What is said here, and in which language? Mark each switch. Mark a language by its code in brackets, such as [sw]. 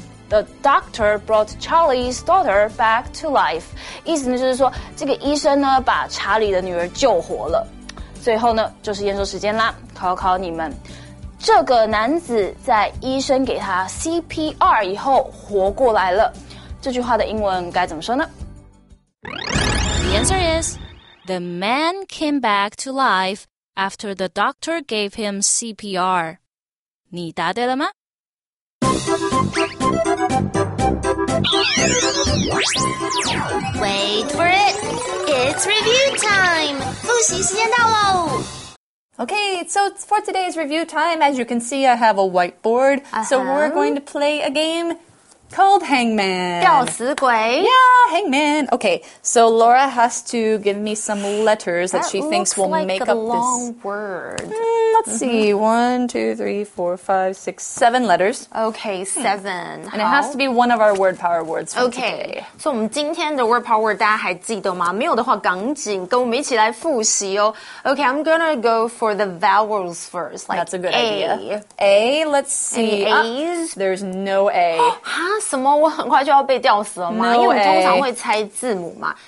[en] The doctor brought Charlie's daughter back to life， [zh] 意思呢就是说，这个医生呢把查理的女儿救活了。最后呢，就是验收时间啦，考考你们。这个男子在医生给他 CPR 以后活过来了。这句话的英文该怎么说呢？ [en] The answer is, the man came back to life after the doctor gave him CPR. [zh] 你答对了吗？ [en] Wait for it! It's review time! [zh] 复习时间到咯! [en] Okay, so for today's review time, as you can see, I have a whiteboard. So we're going to play a game called Hangman. [zh] 吊死鬼! [en] Yeah, Hangman! Okay, so Laura has to give me some letters that she thinks will make up this. That looks like a long word. Let's see, 1, 2, 3, 4, 5, 6, 7 letters. Okay, 7. And it has to be one of our word power words for okay. today. [zh] 所以我们今天的 word power word 大家还记得吗？没有的话赶紧跟我们一起来复习哦。 [en] Okay, I'm gonna go for the vowels first. Like That's a good idea. A, let's see. Any A's? There's no A. [zh] 哈？什么？我很快就要被吊死了吗？ [en] No、 [zh] 因为我通常会猜字母嘛。